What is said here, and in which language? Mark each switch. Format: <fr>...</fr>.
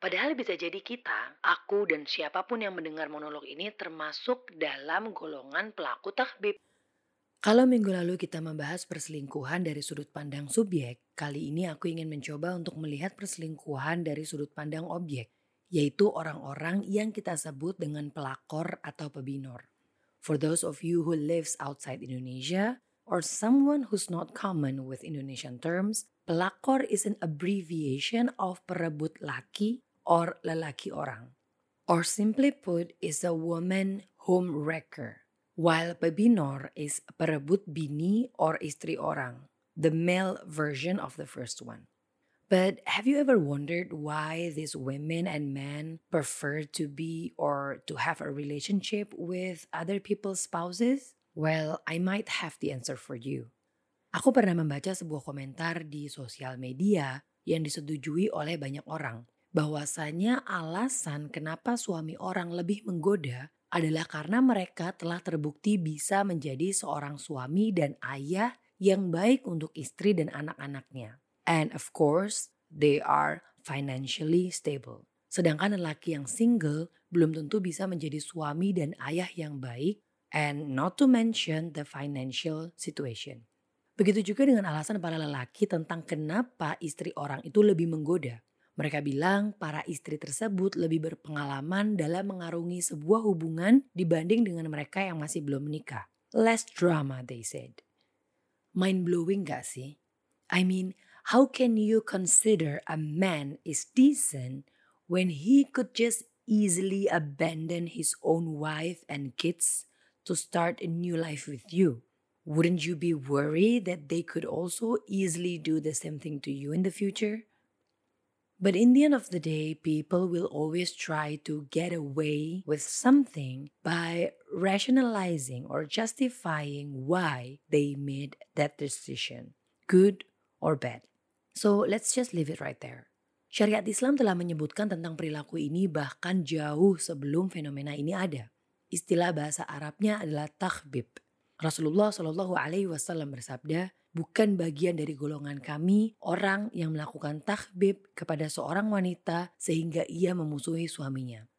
<id>Padahal bisa jadi kita, aku dan siapapun yang mendengar monolog ini termasuk dalam golongan pelaku tahbib. Kalau minggu lalu kita membahas perselingkuhan dari sudut pandang subjek, kali ini aku ingin mencoba untuk melihat perselingkuhan dari sudut pandang objek, yaitu orang-orang yang kita sebut dengan pelakor atau pebinor.</id> <en>For those of you who lives outside Indonesia, or someone who's not common with Indonesian terms, pelakor is an abbreviation of perebut laki or lelaki orang. Or simply put, is a woman home wrecker. While pebinor is perebut bini or istri orang, the male version of the first one. But have you ever wondered why these women and men prefer to be or to have a relationship with other people's spouses? Well, I might have the answer for you.</en> <id>Aku pernah membaca sebuah komentar di sosial media yang disetujui oleh banyak orang, bahwasanya alasan kenapa suami orang lebih menggoda adalah karena mereka telah terbukti bisa menjadi seorang suami dan ayah yang baik untuk istri dan anak-anaknya.</id> <en>And of course, they are financially stable.</en> <id>Sedangkan lelaki yang single belum tentu bisa menjadi suami dan ayah yang baik,</id> <en>and not to mention the financial situation.</en> <id>Begitu juga dengan alasan para lelaki tentang kenapa istri orang itu lebih menggoda. Mereka bilang para istri tersebut lebih berpengalaman dalam mengarungi sebuah hubungan dibanding dengan mereka yang masih belum menikah.</id> <en>Less drama, they said. Mind-blowing</en> <id>gak sih?</id> <en>I mean, how can you consider a man is decent when he could just easily abandon his own wife and kids to start a new life with you? Wouldn't you be worried that they could also easily do the same thing to you in the future? But in the end of the day, people will always try to get away with something by rationalizing or justifying why they made that decision, good or bad. So let's just leave it right there.</en> <id>Syariat Islam telah menyebutkan tentang perilaku ini bahkan jauh sebelum fenomena ini ada. Istilah bahasa Arabnya adalah tahbib. Rasulullah sallallahu alaihi wasallam bersabda, "Bukan bagian dari golongan kami orang yang melakukan tahbib kepada seorang wanita sehingga ia memusuhi suaminya."</id>